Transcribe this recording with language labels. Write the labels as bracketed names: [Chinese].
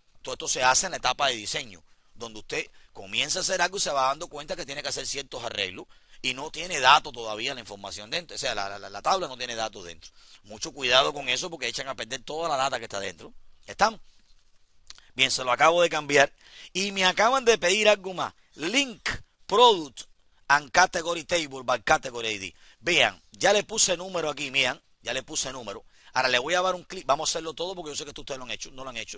[Spanish] Todo esto se hace en la etapa de diseño, donde usted comienza a hacer algo y se va dando cuenta que tiene que hacer ciertos arreglos y no tiene datos todavía la información dentro. O sea, la tabla no tiene datos dentro. Mucho cuidado con eso porque echan a perder toda la data que está dentro. ¿Estamos? Bien, se lo acabo de cambiar. Y me acaban de pedir algo más. [English] Link product and category table by category ID. [Spanish] Vean, ya le puse número aquí, vean. Ya le puse número. Ahora le voy a dar un clic. Vamos a hacerlo todo porque yo sé que esto ustedes lo han hecho. No lo han hecho.